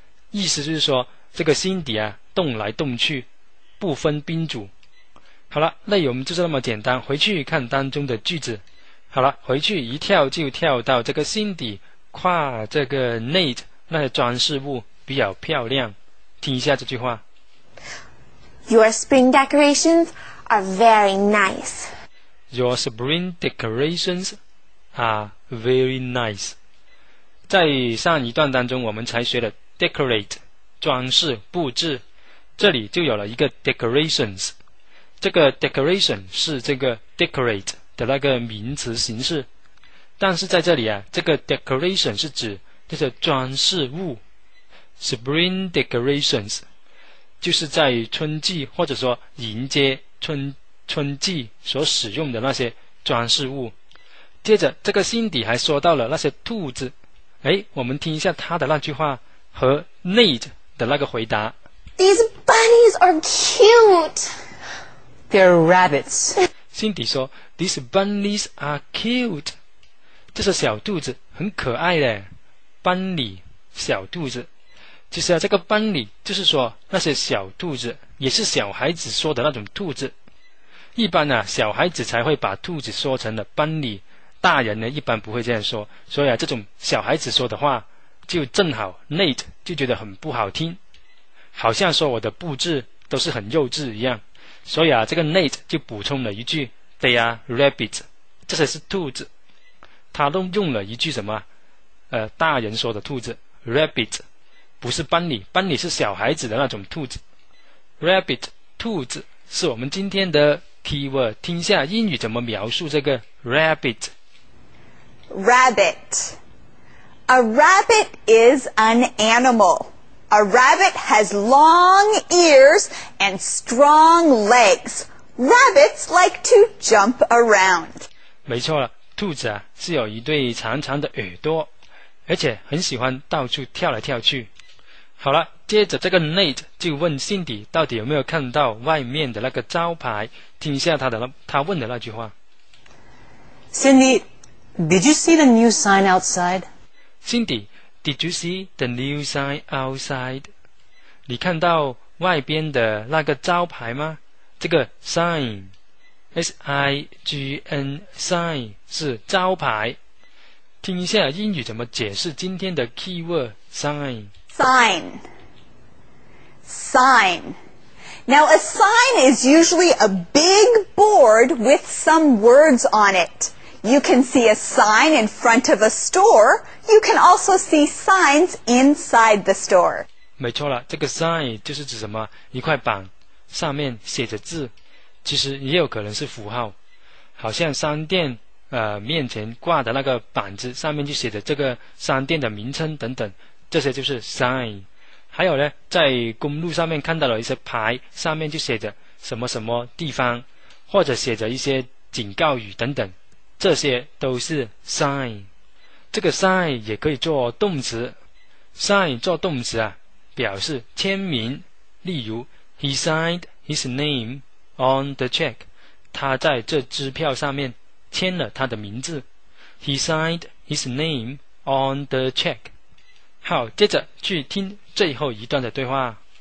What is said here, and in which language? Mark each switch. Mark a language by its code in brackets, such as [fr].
[zh] 意思就是说这个 Cindy 啊，动来动去不分宾主。好了，内容就是那么简单，回去看当中的句子。好了，回去一跳就跳到这个 Cindy 夸这个 Nate 那些装饰物比较漂亮，听一下这句话。 [en] Your spring decorations are very nice. Your spring decorations are very nice. [zh] 在上一段当中我们才学了decorate 装饰布置，这里就有了一个 decorations， 这个 decoration 是这个 decorate 的那个名词形式，但是在这里啊，这个 decoration 是指这些装饰物。 spring decorations 就是在春季或者说迎接 春季所使用的那些装饰物。接着这个 Cindy 还说到了那些兔子，哎，我们听一下他的那句话和 Nate 的那个回答。 [en] These bunnies are cute. They're rabbits. Cindy [zh] 说 [en] These bunnies are cute. [zh] 这是小兔子，很可爱的。 Bunny 小兔子，其实啊，这个 bunny 就是说那些小兔子，也是小孩子说的那种兔子。一般啊，小孩子才会把兔子说成了 bunny， 大人呢一般不会这样说。所以啊，这种小孩子说的话就正好 Nate 就觉得很不好听，好像说我的布置都是很幼稚一样。所以啊，这个 Nate 就补充了一句 [en] They are rabbits， [zh] 这才是兔子。他都用了一句什么大人说的兔子 rabbit， 不是 bunny， bunny 是小孩子的那种兔子。 rabbit 兔子是我们今天的 keyword， 听一下英语怎么描述这个 rabbit。 [en] rabbit，A rabbit is an animal. A rabbit has long ears and strong legs. Rabbits like to jump around. [zh] 没错了，兔子啊是有一对长长的耳朵，而且很喜欢到处跳来跳去。好了，接着这个 Nate 就问 Cindy 到底有没有看到外面的那个招牌，听一下他问的那句话。 [en] Cindy, did you see the new sign outside? Cindy, did you see the new sign outside? [zh] 你看到外边的那个招牌吗？这个 sign, S-I-G-N, sign 是招牌。听一下英语怎么解释今天的 keyword sign。 [en] Sign, sign. Now a sign is usually a big board with some words on it. You can see a sign in front of a store. You can also see signs inside the store. [zh] 没错了，这个 sign 就是指什么？一块板，上面写着字，其实也有可能是符号，好像商店面前挂的那个板子，上面就写着这个商店的名称等等，这些就是 sign。还有呢，在公路上面看到了一些牌，上面就写着什么什么地方，或者写着一些警告语等等。这些都是 sign， 这个 sign 也可以做动词。 sign 做动词啊，表示签名，例如 [en] He signed his name on the check， [zh] 他在这支票上面签了他的名字。 [en] He signed his name on the check。 [zh] 好，接着去听最后一段的对话。